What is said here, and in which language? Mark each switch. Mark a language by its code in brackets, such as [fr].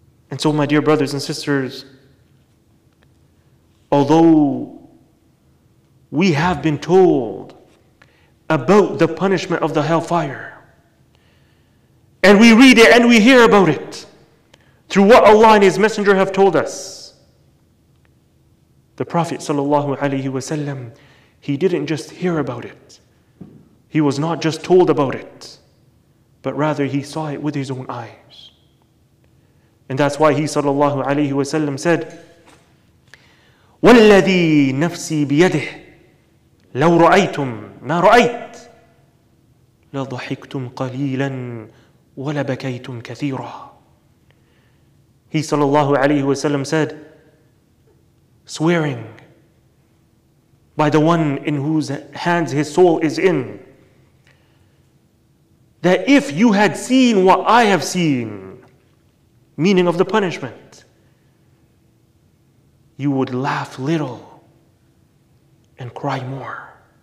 [en] And so, my dear brothers and sisters, although we have been told about the punishment of the hellfire, and we read it and we hear about it through what Allah and His Messenger have told us, the Prophet sallallahu alaihi wasallam, he didn't just hear about it. He was not just told about it, but rather he saw it with his own eyes. And that's why he sallallahu alaihi wasallam said, [ar] "وَالَّذِي نَفْسِي بِيَدِهِ لَوْ رَأَيْتُمْ مَا رَأَيْتْ لَضَحِكْتُمْ قَلِيلًا وَلَبَكَيْتُمْ كَثِيرًا." [en] He sallallahu alaihi wasallam said, swearing by the one in whose hands his soul is in, that if you had seen what I have seen, meaning of the punishment, you would laugh little and cry more.